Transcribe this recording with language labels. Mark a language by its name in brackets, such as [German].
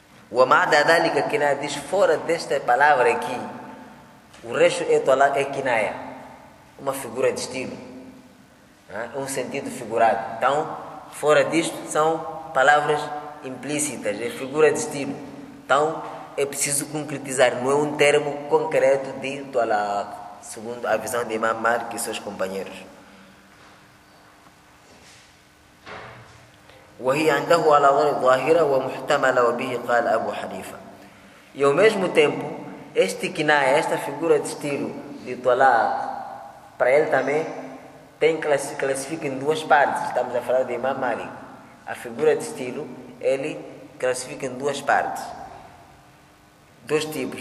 [Portuguese] O Amada Adalika Kinaya diz, fora desta palavra aqui, o resto é talaq é kinaya, uma figura de estilo, um sentido figurado. Então, fora disto, são palavras implícitas, é figura de estilo. Então, é preciso concretizar, não é um termo concreto de talaq, segundo a visão de Imam Malik e seus companheiros. [Arabic] وهي عنده على ضرب ظاهرة ومحتملة وبه قال أبو حنيفة. [Portuguese] E ao mesmo tempo, este kinaya, esta figura de estilo de talaq, para ele também tem classifica em duas partes. Estamos a falar de Imam Malik. A figura de estilo, ele classifica em duas partes. Dois tipos.